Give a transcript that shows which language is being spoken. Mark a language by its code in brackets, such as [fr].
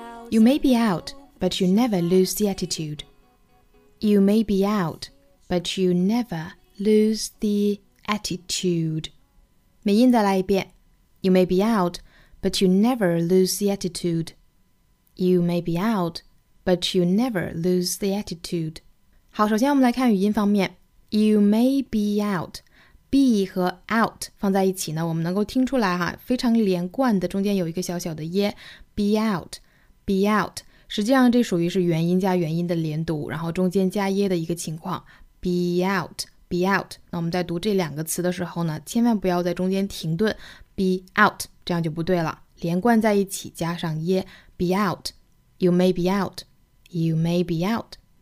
[en] You may be out, but you never lose the attitude. You may be out, but you never lose the attitude. [zh] 美音再来一遍。 [en] You may be out, but you never lose the attitude. You may be out, but you never lose the attitude. [zh] 好，首先我们来看语音方面。 [en] You may be out, be [zh] 和 out 放在一起呢，我们能够听出来哈，非常连贯的，中间有一个小小的耶。 [en] Be out, be out， [zh] 实际上这属于是元音加元音的连读，然后中间加耶的一个情况。 [en] Be out, be out。 [zh] 那我们在读这两个词的时候呢，千万不要在中间停顿。 [en] Be out， [zh] 这样就不对了，连贯在一起加上耶。 [en] Be out, you may be out, you may be out。